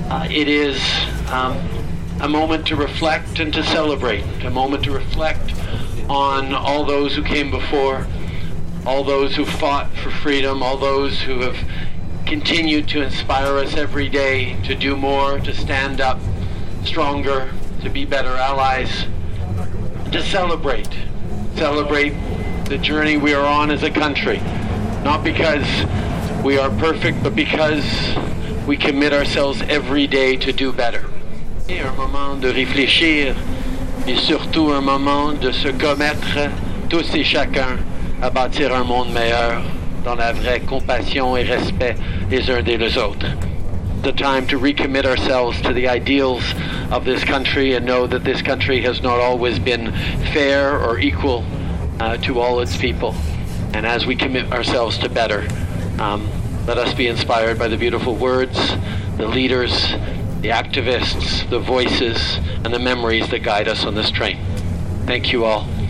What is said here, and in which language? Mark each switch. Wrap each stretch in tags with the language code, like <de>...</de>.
<en>It is a moment to reflect and to celebrate, a moment to reflect on all those who came before, all those who fought for freedom, all those who have continue to inspire us every day to do more, to stand up stronger, to be better allies, to celebrate the journey we are on as a country, not because we are perfect, but because we commit ourselves every day to do better.</en> <fr>C'est un moment de réfléchir et surtout un moment de se commettre tous et chacun à bâtir un monde meilleur dans la vraie compassion et respect les uns des les autres.</fr> <en>The time to recommit ourselves to the ideals of this country and know that this country has not always been fair or equal to all its people. And as we commit ourselves to better, let us be inspired by the beautiful words, the leaders, the activists, the voices, and the memories that guide us on this train. Thank you all.</en>